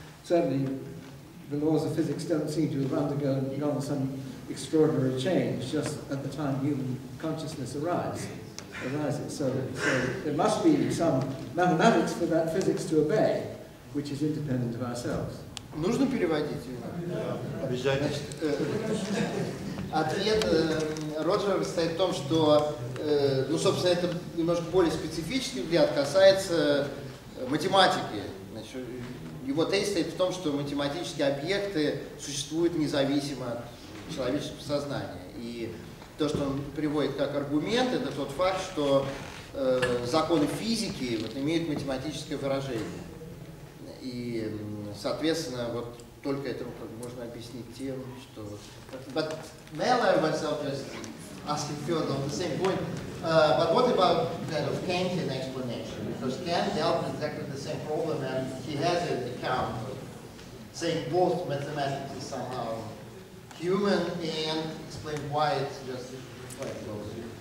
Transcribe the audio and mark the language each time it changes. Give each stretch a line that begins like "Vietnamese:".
English: Certainly, the laws of physics don't seem to have undergone some extraordinary change just at the time human consciousness arises. So there must be some mathematics for that physics to obey, which is independent of ourselves.
Russian: Нужно переводить его? Обязательно. Ответ Роджера состоит в том, что, ну, собственно, это немножко более специфический взгляд касается математики. Значит, его тезис состоит в том, что математические объекты существуют независимо от человеческого сознания. И то, что он приводит как аргумент, это тот факт, что законы физики вот, имеют математическое выражение. И, соответственно, вот только это можно объяснить тем, что...
English: But Mellor was just asking further on the same point. But what about kind of Kantian explanation? Because Kant dealt with exactly the same problem and he has an account of saying both mathematics is somehow human and explain why it's just quite close.